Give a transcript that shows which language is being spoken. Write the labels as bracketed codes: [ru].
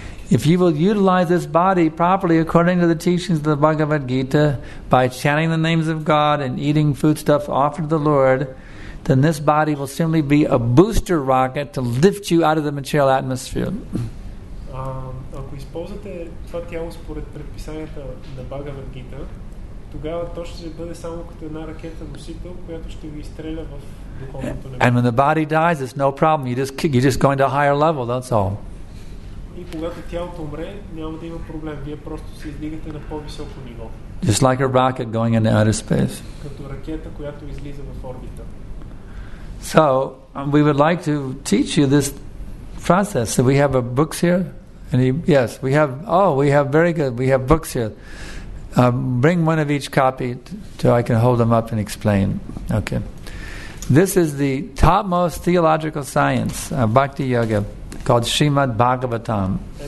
[en] If you will utilize this body properly according to the teachings of the Bhagavad Gita by chanting the names of God and eating foodstuff offered to the Lord, then this body will simply be a booster rocket to lift you out of the material atmosphere. [bg] Ако използвате това тяло според предписанията на Бхагавад Гита, тогава то ще бъде само като една ракета носител, която ще ви изстреля в духовното небе. [en] And when the body dies, it's no problem. You're just going to a higher level, that's all. [bg] И когато тялото умре, няма да има проблем. Вие просто се издигате на по-високо ниво. [en] Just like a rocket going into outer space. [bg] Като ракета, която излиза в орбита. [en] So, we would like to teach you this process. So we have a books here. And we have very good. We have books here. Bring one of each copy so I can hold them up and explain. Okay. This is the topmost theological science of Bhakti Yoga called Srimad Bhagavatam.